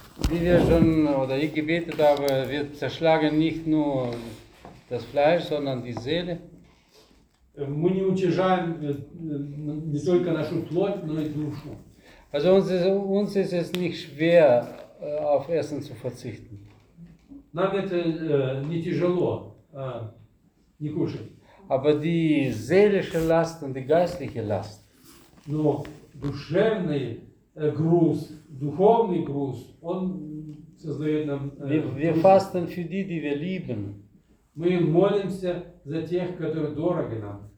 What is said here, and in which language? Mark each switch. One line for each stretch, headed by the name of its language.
German: Wie wir schon oder ich gebetet habe, wir zerschlagen nicht nur das Fleisch, sondern die Seele.
Russian: Мы не уничтожаем не только нашу плоть, но и душу.
German: Also uns ist es nicht schwer, auf Essen zu verzichten.
Russian: Нам это не тяжело, не кушать.
German: Aber die seelische Last und die geistliche Last.
Russian: Но душевный груз, духовный груз, он создает нам...
German: Wir fasten für die, die wir lieben.
Russian: Мы молимся за тех, которые дороги нам.